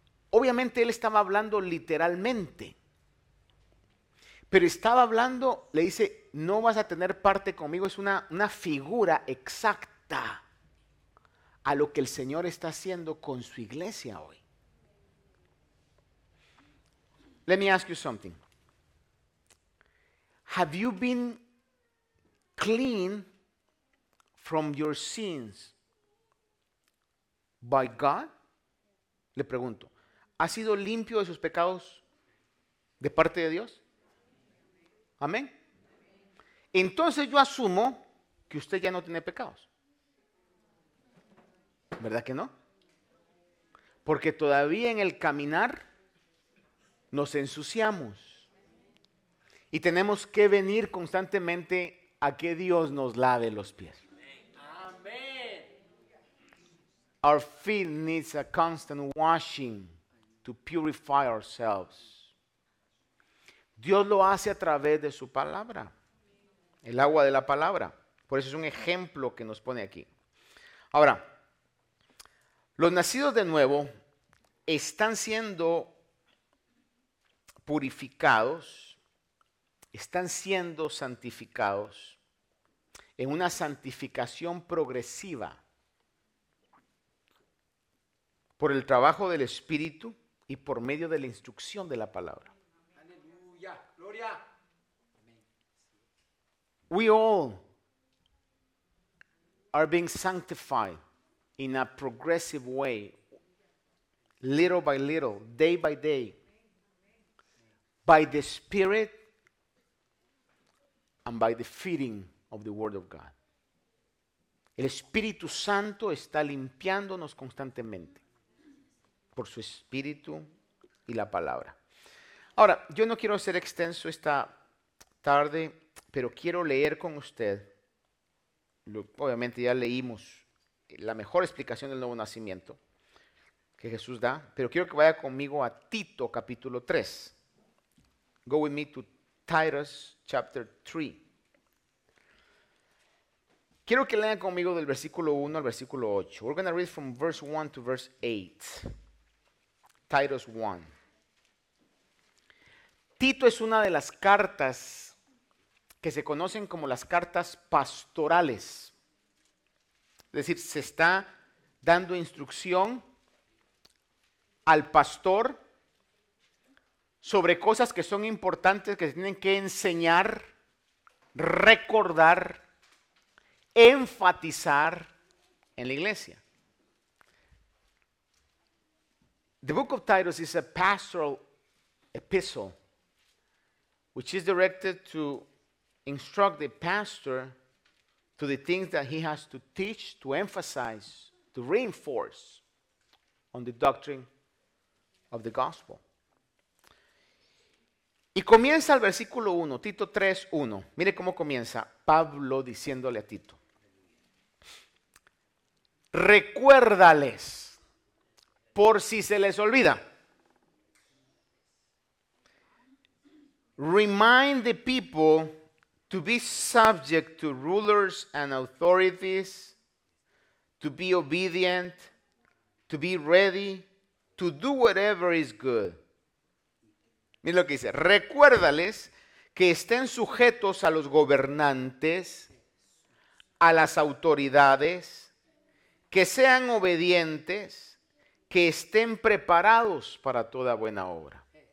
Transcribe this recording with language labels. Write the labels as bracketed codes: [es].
[es] Obviamente él estaba hablando literalmente, Pero estaba hablando, le dice, no vas a tener parte conmigo. Es una figura exacta a lo que el Señor está haciendo con su iglesia hoy. [en] Let me ask you something. Have you been clean from your sins by God? [es] Le pregunto, ¿has sido limpio de sus pecados de parte de Dios? Amén. Entonces yo asumo que usted ya no tiene pecados. ¿Verdad que no? Porque todavía en el caminar nos ensuciamos. Y tenemos que venir constantemente a que Dios nos lave los pies. Amén. [en] Our feet needs a constant washing to purify ourselves. [es] Dios lo hace a través de su palabra. El agua de la palabra. Por eso es un ejemplo que nos pone aquí. Ahora, los nacidos de nuevo están siendo purificados, están siendo santificados en una santificación progresiva por el trabajo del Espíritu y por medio de la instrucción de la palabra. Aleluya, gloria. [en] We all are being sanctified in a progressive way, little by little, day by day, by the Spirit and by the feeding of the Word of God. [es] El Espíritu Santo está limpiándonos constantemente por su Espíritu y la Palabra. Ahora, yo no quiero ser extenso esta tarde, pero quiero leer con usted, obviamente ya leímos la mejor explicación del nuevo nacimiento que Jesús da, pero quiero que vaya conmigo a Tito capítulo 3. [en] Go with me to Titus chapter 3. [es] Quiero que lean conmigo del versículo 1 al versículo 8. [en] We're going to read from verse 1 to verse 8. Titus 1. [es] Tito es una de las cartas que se conocen como las cartas pastorales. Es decir, se está dando instrucción al pastor sobre cosas que son importantes, que se tienen que enseñar, recordar, enfatizar en la iglesia. [en] The book of Titus is a pastoral epistle which is directed to instruct the pastor to the things that he has to teach, to emphasize, to reinforce on the doctrine of the gospel. [es] Y comienza el versículo 1, Tito 3, 1. Mire cómo comienza Pablo diciéndole a Tito. Recuérdales, por si se les olvida. [en] Remind the people to be subject to rulers and authorities, to be obedient, to be ready, to do whatever is good. [es] Mira lo que dice, recuérdales que estén sujetos a los gobernantes, a las autoridades, que sean obedientes, que estén preparados para toda buena obra.